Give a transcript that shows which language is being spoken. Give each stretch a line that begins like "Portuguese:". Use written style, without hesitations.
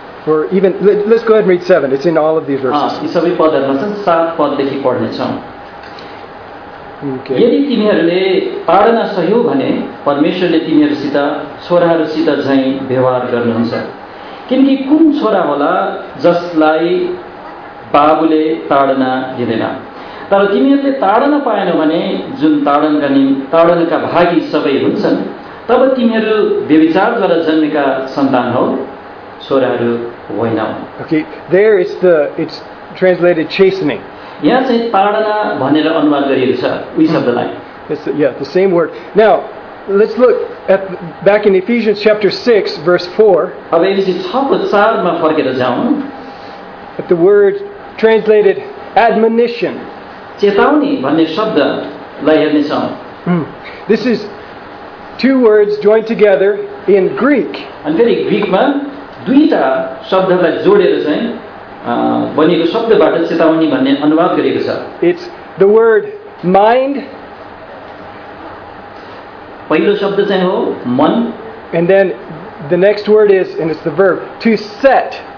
English: Or even let's go ahead and read 7. It's in all of these verses.
Nepali: यी सबै पदहरूमा चाहिँ सात पददेखि पढ्नेछौँ.
English: Okay.
Nepali: यदि तिमीहरूले पालना सहयोग भने परमेश्वरले तिमीहरूसित छोराहरूसित झैँ व्यवहार गर्नुहुन्छ. किनकि कुन छोरा होला जसलाई बाबुले ताडना दिँदैन? तर तिमीहरूले ताडना पाएन भने जुन ताडनका भागी सबै हुन्छन् तब तिमीहरू व्यभिचारद्वारा जन्मेका सन्तान हो छोराहरू होइन.
English: Okay, there is the, it's translated chastening.
Nepali: यहाँ चाहिँ ताडना भनेर अनुवाद गरिएको छ उही शब्दलाई.
English: Yeah, the same word. Now, let's look at back in Ephesians chapter 6 verse 4.
Nepali: अब यसरी 6 4मा फर्केर जाउँ.
English: But the word translated admonition.
Nepali: चेतावनी भन्ने शब्दलाई हेर्ने छौँ.
English: This is two words joined together in Greek.
Nepali: अनि फेरि ग्रिकमा दुईटा शब्दलाई जोडेर चाहिँ बनिएको शब्दबाट चेतावनी भन्ने अनुवाद गरिएको छ.
English: It's the word mind.
Nepali: पहिलो शब्द चाहिँ हो मन.
English: And then the next word is, and it's the verb to set.